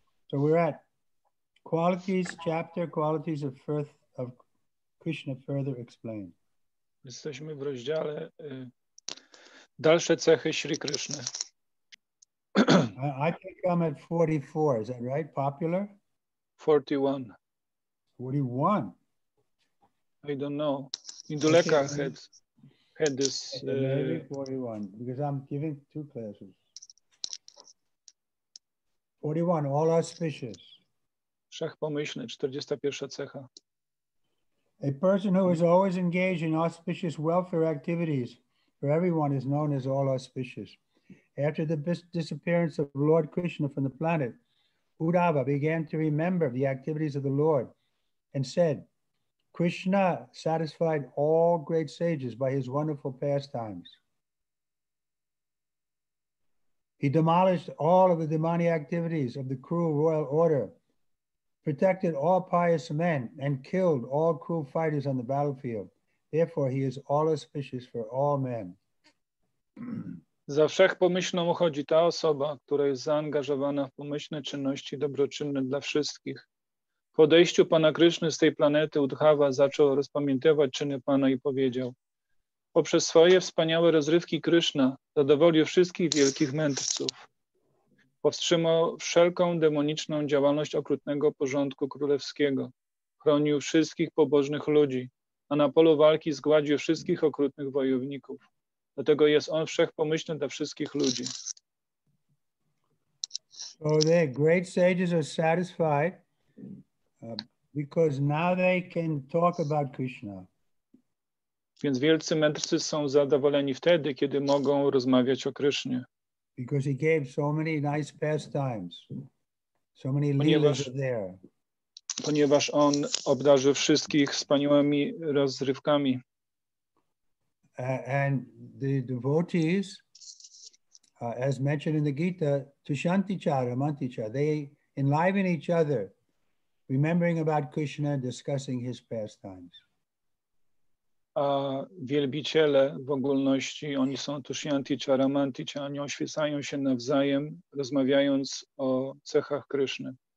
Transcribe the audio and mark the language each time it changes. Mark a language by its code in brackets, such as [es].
[en] So we're at qualities, chapter qualities of first of Krishna further explained. [pl] Jesteśmy w rozdziale dalsze cechy Śri Krishna. [en] I think I'm at 44, is that right? Popular? 41. 41? I don't know. Induleka had this. Maybe 41, because I'm giving two classes. 41, all auspicious. [pl] Wszechpomyślny, 41 cecha. [en] A person who is always engaged in auspicious welfare activities for everyone is known as all auspicious. After the disappearance of Lord Krishna from the planet, Uddhava began to remember the activities of the Lord and said, Krishna satisfied all great sages by his wonderful pastimes. He demolished all of the demonic activities of the cruel royal order, protected all pious men, and killed all cruel fighters on the battlefield. Therefore, he is all auspicious for all men. [pl] Za wszechpomyślną uchodzi ta osoba, która jest zaangażowana w pomyślne czynności dobroczynne dla wszystkich. Po odejściu Pana Kryszny z tej planety Uddhava zaczął rozpamiętywać czyny Pana i powiedział, poprzez swoje wspaniałe rozrywki Kryszna zadowolił wszystkich wielkich mędrców. Powstrzymał wszelką demoniczną działalność okrutnego porządku królewskiego. Chronił wszystkich pobożnych ludzi, a na polu walki zgładził wszystkich okrutnych wojowników. Dlatego jest on wszechpomyślny dla wszystkich ludzi. [en] So the great sages are satisfied because now they can talk about Krishna. [pl] Więc wielcy mędrcy są zadowoleni wtedy, kiedy mogą rozmawiać o Krysznie. [en] Because he gave so many nice pastimes, so many leelas there. [pl] Ponieważ on obdarzył wszystkich wspaniałymi rozrywkami. [en] And the devotees, as mentioned in the Gita, [sa] tushanticara, manticara, [en] they enliven each other, remembering about Krishna, discussing his pastimes. [pl] A wielbiciele w ogólności, oni są [sa] tushyanti cha ramanti cha, [pl] oni oświecają się nawzajem, rozmawiając o cechach Kryszny.